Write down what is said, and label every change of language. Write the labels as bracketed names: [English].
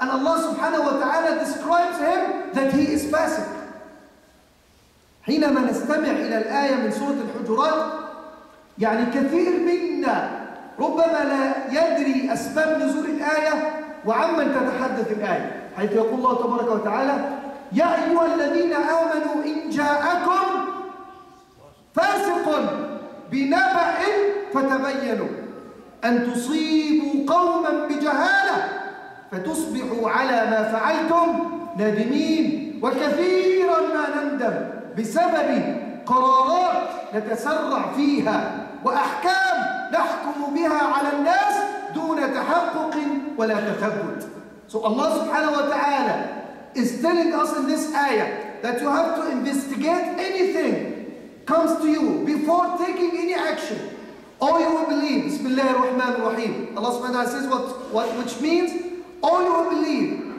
[English] And Allah subhanahu wa ta'ala describes him that he is fasiq. [Arabic] حينما نستمع إلى الآية من سورة الحجرات يعني كثير منا ربما لا يدري أسباب نزول الآية وعمن تتحدث الآية حيث يقول الله تبارك وتعالى يا أيها الذين آمنوا إن جاءكم فاسق بنبأ فتبينوا أن تصيبوا قوما بجهالة فتصبحوا على ما فعلتم نادمين وكثيرا ما نندم بسبب قرارات نتسرع فيها وأحكام نحكم بها على الناس دون تحقق ولا تثبت. [English] So Allah subhanahu wa ta'ala is telling us in this ayah that you have to investigate anything comes to you before taking any action. All you will believe, Bismillah ar-Rahman ar-Rahim. Allah subhanahu wa ta'ala says which means all you will believe.